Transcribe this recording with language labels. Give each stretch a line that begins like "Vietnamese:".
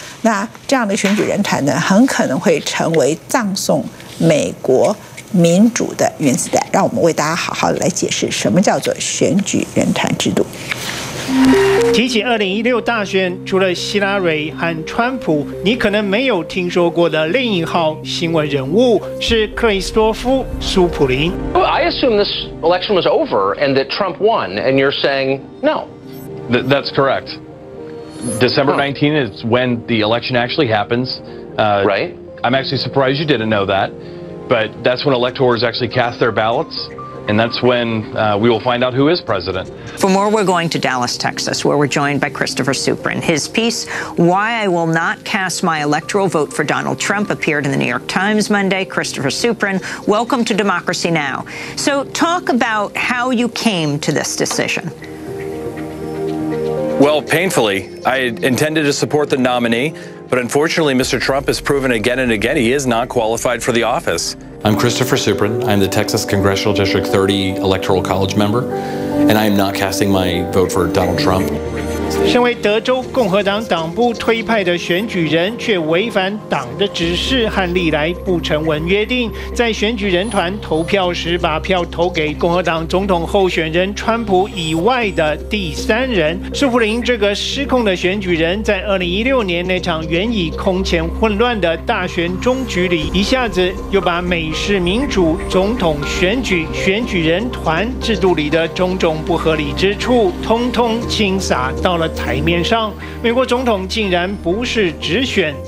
Chinese: 那这样的选举人团呢，很可能会成为葬送美国民主的原子弹。让我们为大家好好来解释什么叫做选举人团制度。提起2016大选，除了希拉蕊和川普，你可能没有听说过的另一号新闻人物是克里斯多夫·苏普林。
English: I assume this election was over and that Trump won, and you're saying no. That's correct. December 19 is when the election actually happens. Right. I'm actually surprised you didn't know that. But that's when electors actually cast their ballots, and that's when we will find out who is president. For more, we're going to Dallas, Texas, where we're joined by Christopher Suprin. His piece, Why I Will Not Cast My Electoral Vote for Donald Trump, appeared in the New York Times Monday. Christopher Suprin, welcome to Democracy Now! So talk about how you came to this decision. Well, painfully, I intended to support the nominee, but unfortunately, Mr. Trump has proven again and again he is not qualified for the office. I'm Christopher Suprin. I'm the Texas Congressional District 30 Electoral College member, and I am not casting my vote for Donald Trump.
Chinese: 身为德州共和党党部推派的选举人，却违反党的指示和历来不成文约定，在选举人团投票时把票投给共和党总统候选人川普以外的第三人。舒普林这个失控的选举人，在2016年那场原已空前混乱的大选终局里，一下子又把美式民主总统选举选举人团制度里的种种不合理之处通通倾洒到了台面上，美国总统竟然不是直选。